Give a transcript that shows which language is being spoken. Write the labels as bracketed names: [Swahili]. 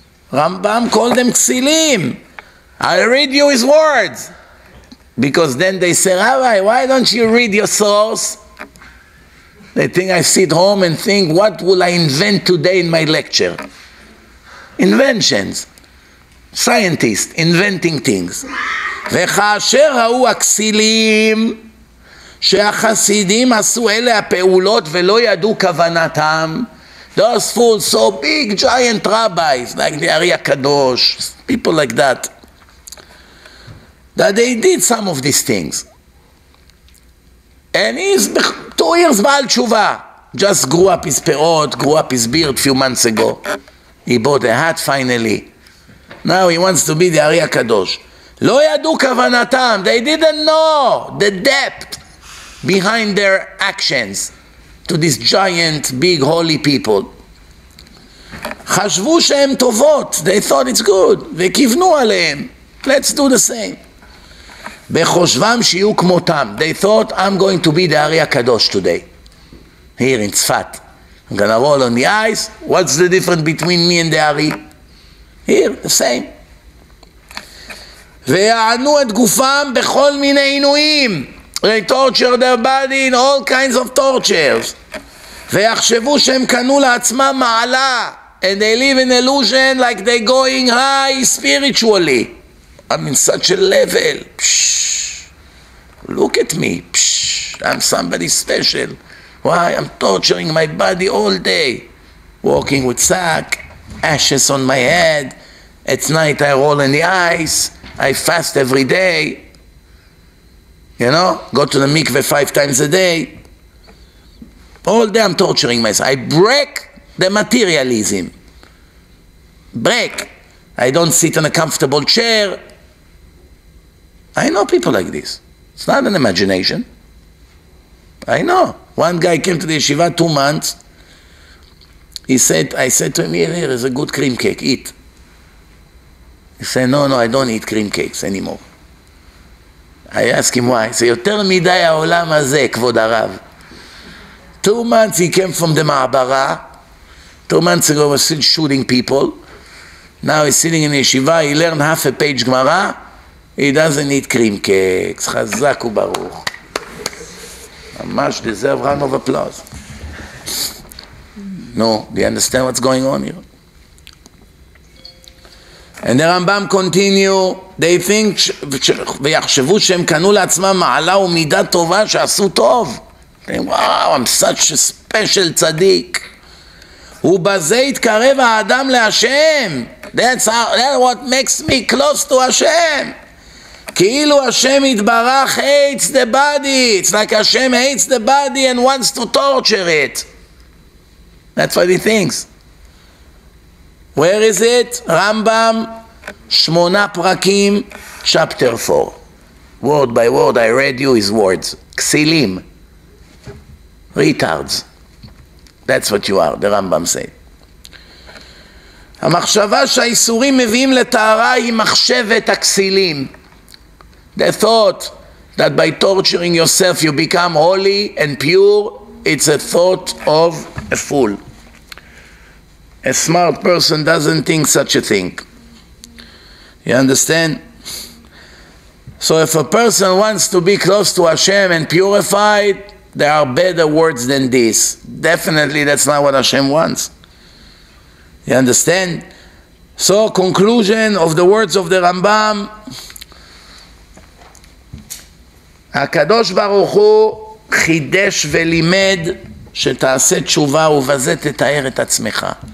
[English] Rambam called them ksilim. I read you his words. Because then they say, Rabbi, why don't you read your source? They think I sit home and think, what will I invent today in my lecture? Inventions. Scientists inventing things. [Hebrew] וכאשר ראו הכסילים שהחסידים עשו אלה הפעולות ולא ידעו כוונתם. [English] Those fools, so big, giant rabbis, like the Ari HaKadosh, people like that, that they did some of these things. And he's 2 years Baal Tshuva, just grew up his perot, grew up his beard a few months ago. He bought a hat finally. Now he wants to be the Ari HaKadosh. [Hebrew] Lo yadu kavanatam, [English] they didn't know the depth behind their actions. To this giant, big, holy people. [Hebrew] חשבו שהם טובות. [English] They thought it's good. [Hebrew] וכיוונו עליהם. [English] Let's do the same. [Hebrew] בחושבם שיהיו כמותם. [English] They thought, I'm going to be the Ari HaKadosh today. Here in Tzfat. I'm gonna roll on the ice. What's the difference between me and the Ari? Here, the same. [Hebrew] ויענו את גופם בכל מיני עינויים. [English] They torture their body in all kinds of tortures. [Hebrew] ויחשבו שהם קנו לעצמם מעלה. [English] And they live in illusion like they're going high spiritually. I'm in such a level. Psh. Look at me. Psh. I'm somebody special. Why? I'm torturing my body all day. Walking with sack, ashes on my head. At night I roll in the ice. I fast every day. You know, go to the mikveh 5 times a day. All day I'm torturing myself. I break the materialism. Break. I don't sit in a comfortable chair. I know people like this. It's not an imagination. I know. One guy came to the yeshiva 2 months. I said to him, here, here is a good cream cake. Eat. He said, no, I don't eat cream cakes anymore. I asked him why. He said, [Hebrew] יותר מדי העולם הזה, כבוד הרב. [English] 2 months he came from the Ma'abara. 2 months ago he was still shooting people. Now he's sitting in yeshiva, he learned half a page Gemara. He doesn't eat cream cakes. [Hebrew] חזק וברוך. ממש [English] deserve round of applause. No, do you understand what's going on here? And the Rambam continue, they think, [Hebrew] ויחשבו שהם קנו לעצמם מעלה ומידה טובה שעשו טוב. [English] They think, wow, I'm such a special tzaddik. [Hebrew] ובזה התקרב האדם להשם. [English] That's what makes me close to Hashem. [Hebrew] כאילו השם יתברך [English] hates the body. It's like Hashem hates the body and wants to torture it. That's what he thinks. Where is it? Rambam, 8 prakim, chapter 4. Word by word, I read you his words. Ksilim. Retards. That's what you are, the Rambam said. [Hebrew] המחשבה שהאיסורים מביאים לטהרה היא מחשבת הכסילים. [English] The thought that by torturing yourself you become holy and pure, it's a thought of a fool. A smart person doesn't think such a thing. You understand? So if a person wants to be close to Hashem and purified, there are better words than this. Definitely that's not what Hashem wants. You understand? So conclusion of the words of the Rambam. [Hebrew] הקדוש ברוך הוא חידש ולימד שתעשה תשובה ובזה תתאר את עצמך.